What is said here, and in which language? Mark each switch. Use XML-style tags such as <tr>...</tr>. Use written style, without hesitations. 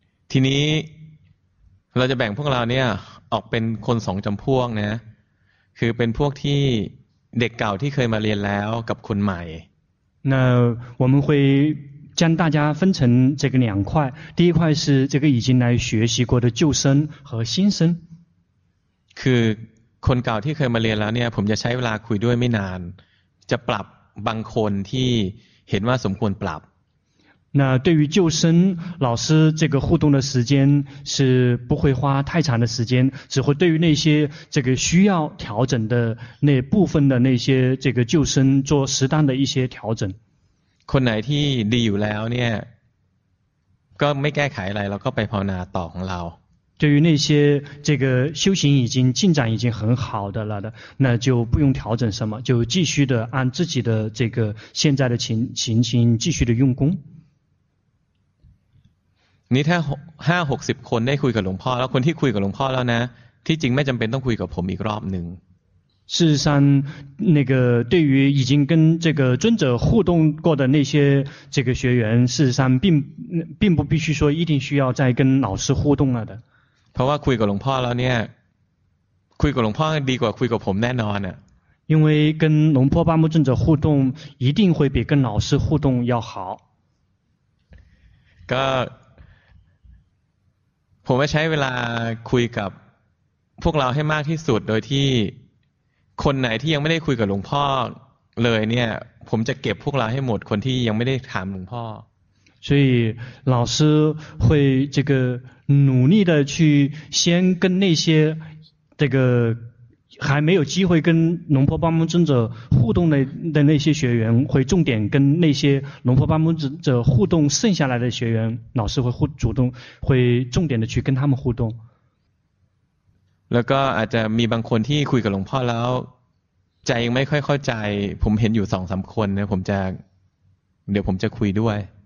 <th>ทีนี้เราจะแบ่งพวกเราเนี่ยออกเป็นคน2จําพวกนะคือเป็นพวกที่เด็กเก่าที่เคยมาเรียนแล้วกับคนใหม่</th> <zh>那我们会将大家分成这个两块，第一块是这个已经来学习过的旧生和新生。</zh> <th>คือคนเก่าที่เคยมาเรียนแล้วเนี่ยผมจะใช้เวลาคุยด้วยไม่นานจะปรับบางคนที่เห็นว่าสมควรปรับ</th> <zh>那对于旧生老师这个互动的时间是不会花太长的时间只会对于那些这个需要调整的那部分的那些这个旧生做适当的一些调整</zh> <th>คนไหนที่ดีอยู่แล้วเนี่ยก็ไม่แก้ไขอะไรแล้วก็ไปภาวนาต่อของเรา</th> <zh>对于那些这个修行已经进展已经很好的了的那就不用调整什么就继续的按自己的这个现在的情形继续的用功</zh> <th>นี่ถ้า 5-60 คนได้คุยกับหลวงพ่อแล้วคนที่คุยกับหลวงพ่อแล้วนะที่จริงไม่จำเป็นต้องคุยกับผมอีกรอบหนึ่ง</th> <zh>事实上那个对于已经跟这个尊者互动过的那些这个学员事实上并不必须说一定需要再跟老师互动了的</zh> <th>เพราะว่าคุยกับหลวงพ่อแล้วเนี่ยคุยกับหลวงพ่อดีกว่าคุยกับผมแน่นอนอ่ะ</th> <zh>因为跟龙坡巴木正者互动一定会比跟老师互动要好</zh> <th>ก็ผมใช้เวลาคุยกับพวกเราให้มากที่สุดโดยที่คนไหนที่ยังไม่ได้คุยกับหลวงพ่อเลยเนี่ยผมจะเก็บพวกเราให้หมดคนที่ยังไม่ได้ถามหลวงพ่</th> <zh>อ所以老师会这个努力的去先跟那些这个还没有机会跟龙婆巴木尊者互动的那些学员会重点跟那些龙婆巴木尊者互动剩下来的学员老师会主动会重点的去跟他们互动</zh> <th>แล้วก็อาจจะมีบางคนที่คุยกับหลวงพ่อแล้วใจยังไม่ค่อยเข้าใจผมเห็นอยู่สองสามคนนะผมจะเดี๋ยวผมจะคุยด้วย</th>